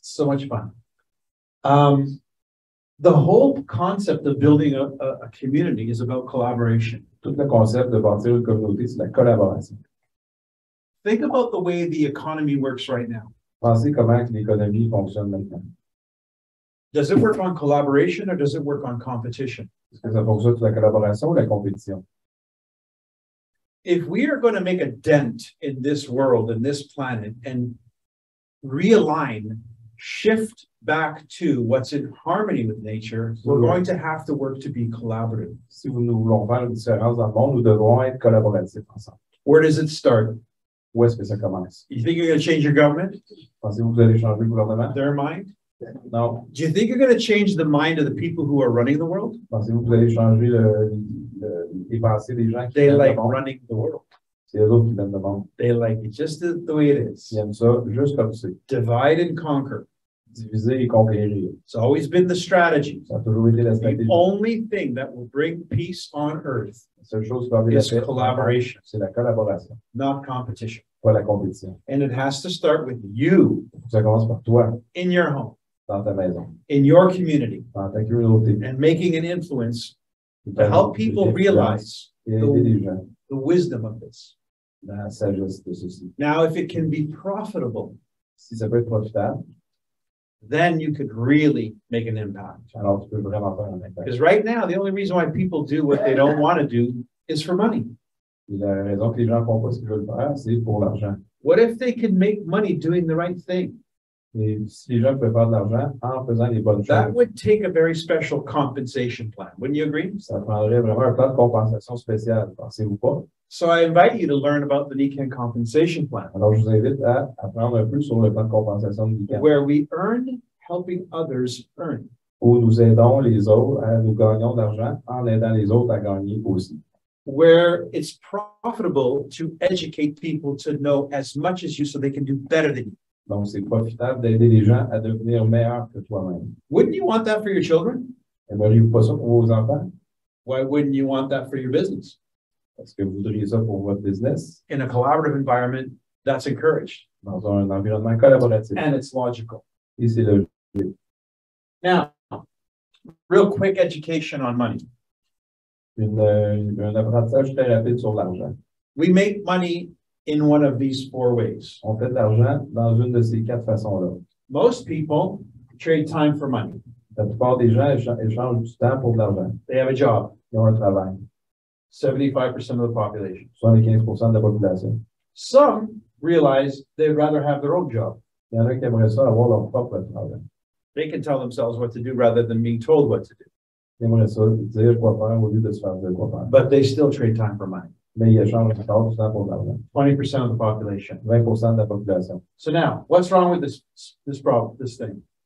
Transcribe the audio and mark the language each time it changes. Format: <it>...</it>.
<en>So much fun. The whole concept of building a community is about collaboration.</en> <fr>Tout le concept de bâtir une communauté, c'est la collaboration.</fr> <en>Think about the way the economy works right now.</en> <fr>Pensez comment l'économie fonctionne maintenant.</fr> <en>Does it work on collaboration or does it work on competition?</en> <fr>Est-ce que ça fonctionne sur la collaboration ou la compétition?</fr> <en>If we are going to make a dent in this world, in this planet, and realign, shift back to what's in harmony with nature, we're going to have to work to be collaborative.</en> <fr>Si nous voulons faire une différence dans le monde, nous devons être collaboratifs ensemble.</fr> <en>Where does it start?</en> <fr>Où est-ce que ça commence?</fr> <en>You think you're going to change your government?</en> <fr>Pensez-vous que vous allez changer le gouvernement?</fr> <en>Their mind? No. Do you think you're going to change the mind of the people who are running the world?</en> <fr>Pensez-vous que vous allez changer les pensées des gens qui</fr> <en>They like the running the world.</en> <fr>C'est eux qui mènent le monde.</fr> <en>They like it just the way it is.</en> <fr>Ils aiment ça juste comme c'est.</fr> <en>Divide and conquer.</en> <fr>Diviser et conquérir.</fr> <en>It's always been the strategy.</en> <fr>Ça a toujours été la stratégie.</fr> <en>The only thing that will bring peace on earth is collaboration.</en> <fr>C'est la collaboration.</fr> <en>Not competition.</en> <fr>Pas la compétition.</fr> <en>And it has to start with you.</en> <fr>Ça commence par toi.</fr> <en>In your home.</en> <fr>Dans ta maison.</fr> <en>In your community.</en> <fr>Dans ta communauté.</fr> <en>And making an influence to help people realize the wisdom of this.</en> <fr>La sagesse de ceci.</fr> <en>Now, if it can be profitable.</en> <fr>Si ça peut être profitable.</fr> <en>Then you could really make an impact.</en> <fr>Alors, tu peux vraiment faire un impact.</fr> <en>Because right now, the only reason why people do what they don't want to do is for money.</en> <fr>La raison que les gens font pas ce qu'ils veulent faire, c'est pour l'argent.</fr> <en>What if they could make money doing the right thing?</en> <fr>Et si les gens peuvent faire de l'argent en faisant les bonnes</fr> <en>that Would take a very special compensation plan. Wouldn't you agree?</en> <fr>Ça prendrait vraiment un plan de compensation spécial, pensez-vous pas?</fr> <en>So I invite you to learn about the Nikon compensation plan.</en> <fr>Alors, je vous invite à apprendre un peu sur le plan de compensation de Nikon.</fr> <en>Where we earn, helping others earn.</en> <fr>Où nous aidons les autres, nous gagnons d'argent en aidant les autres à gagner aussi.</fr> <en>Where it's profitable to educate people to know as much as you so they can do better than you.</en> <fr>Donc, c'est profitable d'aider les gens à devenir meilleurs que toi-même.</fr> <en>Wouldn't you want that for your children?</en> <fr>Aimeriez-vous pas ça pour vos enfants?</fr> <en>Why wouldn't you want that for your business?</en> <fr>Est-ce que vous voudriez ça pour votre business?</fr> <en>In a collaborative environment, that's encouraged.</en> <fr>Dans un environnement collaboratif.</fr> <en>And it's logical.</en> <fr>Et c'est logique.</fr> <en>Now, real quick education on money.</en> <fr>Un apprentissage très rapide sur l'argent.</fr> <en>We make money in one of these four ways.</en> <fr>On fait de l'argent dans une de ces quatre façons-là.</fr> <en>Most people trade time for money.</en> <fr>La plupart des gens échangent du temps pour de l'argent.</fr> <en>They have a job.</en> <fr>Ils ont un travail.</fr> <en>75% of the population.</en> <fr>75% de la population.</fr> <en>Some realize they'd rather have their own job.</en> <fr>Il y en a qui aimeraient ça avoir leur propre travail.</fr> <en>They can tell themselves what to do rather than being told what to do.</en> <fr>Ils aimeraient ça dire quoi faire au lieu de se faire dire quoi faire.</fr> <en>But they still trade time for money.</en> <fr>Mais ils échangent du temps pour de l'argent.</fr> <en>20% of the population.</en> <fr>20% de la population.</fr> <en>So now, what's wrong with this problem, this thing?</en>